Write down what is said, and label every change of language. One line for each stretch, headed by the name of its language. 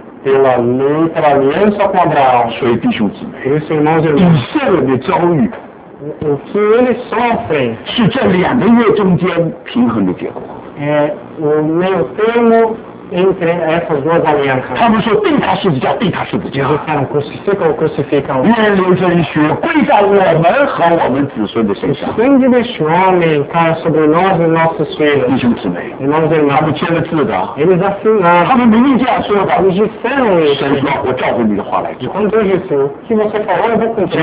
Portuguese: Pela lei, pela aliança com Abraão.
Chinese: 所以弟兄姊妹。
Portuguese: Por isso, irmãos e
Chinese: irmãs. 以色列的遭遇。
Portuguese: O que eles sofrem.
Chinese: 是这两个月中间平衡的结果。
Portuguese: É o meio termo. Entre essas duas alianças.
Chinese: 他们说定他十字架，定他十字架。
Portuguese: Eles disseram crucificam, crucificam.
Chinese: 愿流这一血归在我们和我们子孙的身上。
Portuguese: O sangue deste homem caia sobre nós e nossos filhos.
Chinese: 弟兄姊妹。
Portuguese: Irmãos e irmãs.
Chinese: 他们签了字的。
Portuguese: Eles assinaram.
Chinese: 他们明明这样说的。
Portuguese: Eles disseram isso.
Chinese: 神说，我照着你的话来讲。
Portuguese: Quando Deus disse, que você falou, eu vou cumprir.